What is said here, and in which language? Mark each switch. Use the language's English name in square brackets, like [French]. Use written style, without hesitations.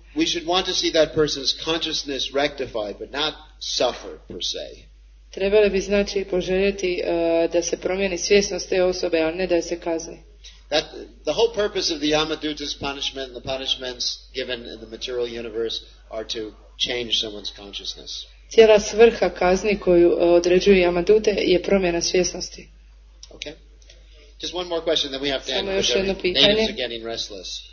[English] we should want to see that person's consciousness rectified, but not suffer per se. [Croatian] Trebali bi znači poželjeti da se promijeni svjesnost te osobe, a ne da se kazni. [English] That the whole purpose of the Yamadutas punishment and the punishments given in the material universe are to change someone's consciousness. [Croatian] Cijela svrha kazni koju određuje Yamadute je promjena svjesnosti. [English] Okay. Just one more question, then we have to end. [Croatian] Samo još jedno pitanje. [English] Names are getting restless.